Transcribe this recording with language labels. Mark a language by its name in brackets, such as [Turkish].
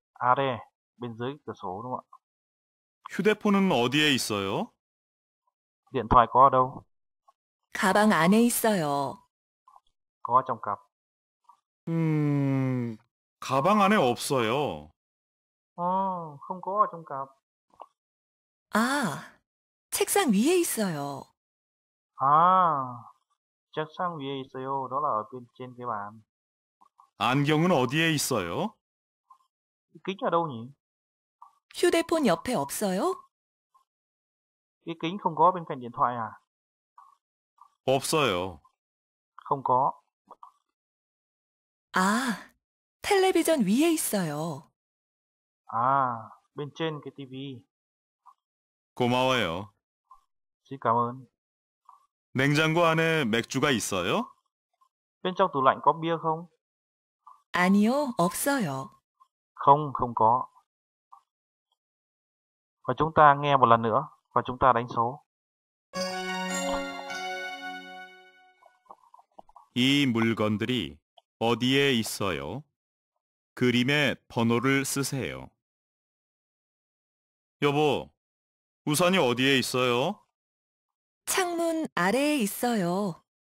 [Korean] 아래, [Vietnamese] bên dưới cửa sổ đúng không ạ? [Korean] 휴대폰은 어디에 있어요? [Vietnamese] Điện thoại có ở đâu? [Korean] 가방 안에 있어요. [Vietnamese] Có trong cặp. [Korean] 가방 안에 없어요. [Vietnamese] 어, không có ở trong cặp. [Korean] 책상 위에 있어요. 아, 책상 위에 있어요. [Vietnamese] Đó là ở bên trên cái bàn. [Korean] 안경은 어디에 있어요? [Vietnamese] Kính ở đâu nhỉ? [Korean] 휴대폰 옆에 없어요? [Vietnamese] Cái kính không có bên cạnh điện thoại à? [Korean] 없어요. [Vietnamese] Không có. [Korean] 아, 텔레비전 위에 있어요. [Vietnamese] 아, bên trên cái TV. [Korean] 고마워요. 진짜 감사합니다. 냉장고 안에 맥주가 있어요? [Vietnamese] Bên trong tủ lạnh có bia không? [Korean] 아니요, 없어요. [Vietnamese] Không, không có. Và chúng ta nghe một lần nữa và chúng ta đánh số. [Korean] 이 물건들이 어디에 있어요? 그림에 번호를 쓰세요. 여보, 우산이 어디에 있어요? 창문 아래에 있어요.